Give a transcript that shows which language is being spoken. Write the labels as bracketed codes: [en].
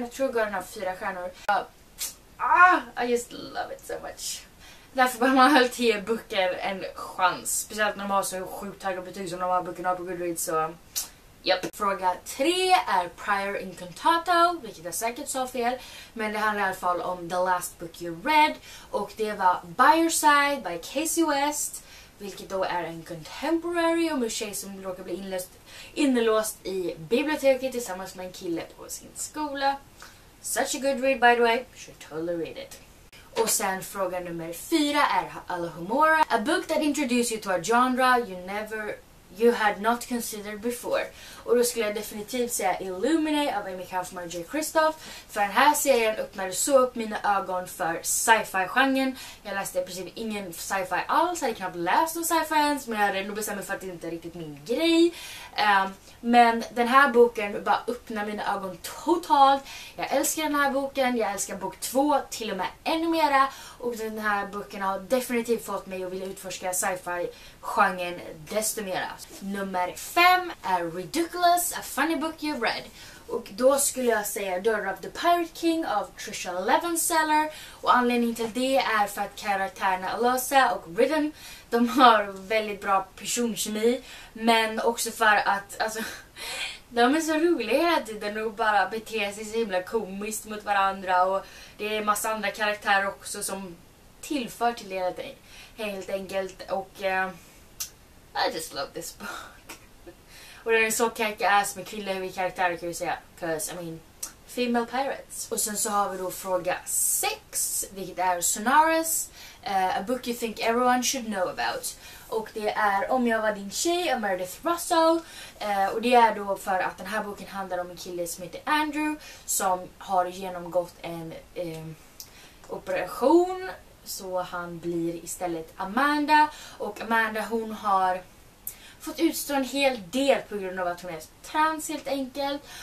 [sv] Jag tror att den har 4 stjärnor. [en] I just love it so much. [sv] Därför bör man ha 10 böcker en chans. Speciellt när de har så sjukt höga betyg som de här böckerna har på Goodreads. Så, [en] yep. [sv] Fråga 3 är Prior Incantato, vilket jag säkert sa fel. Men det handlar i alla fall om The Last Book You Read. Och det var By Your Side by Casey West. Vilket då är en contemporary om en tjej som råkar bli inlåst i biblioteket tillsammans med en kille på sin skola. [en] Such a good read by the way. [sv] Should totally read it. Och sen fråga nummer 4 är Alohomora. [en] A book that introduced you to a genre you had not considered before. [sv] Och då skulle jag definitivt säga Illuminae av Amy Kaufman och J. Kristoff. För den här serien öppnade så upp mina ögon för sci-fi-genren. Jag läste i princip ingen sci-fi alls, hade knappt läst någon sci-fi ens. Men jag hade ändå bestämt mig för att det inte är riktigt min grej. Men den här boken bara öppnade mina ögon totalt. Jag älskar den här boken, jag älskar bok 2 till och med ännu mera. Och den här boken har definitivt fått mig att vilja utforska sci-fi-genren desto mera. Nummer 5 är [en] Ridiculous, a funny book you've read. [sv] Och då skulle jag säga Daughter of the Pirate King av Trisha Levenseller. Och anledningen till det är för att karaktärerna Alosa och Rhythm, de har väldigt bra personkemi. Men också för att, alltså, de är så roliga hela tiden och bara beter sig så himla komiskt mot varandra. Och det är en massa andra karaktärer också som tillför till det helt enkelt. Och [en] I just love this book. [sv] Och den är så kacka ass med kvinnliga huvudkaraktärer kan vi säga. [en] 'Cause, I mean, female pirates. [sv] Och sen så har vi då fråga 6, vilket är Sonaris. [en] A book you think everyone should know about. [sv] Och det är Om jag var din tjej av Meredith Russell. Och det är då för att den här boken handlar om en kille som heter Andrew. Som har genomgått en operation. Så han blir istället Amanda. Och Amanda, hon har fått utstå en hel del på grund av att hon är trans helt enkelt.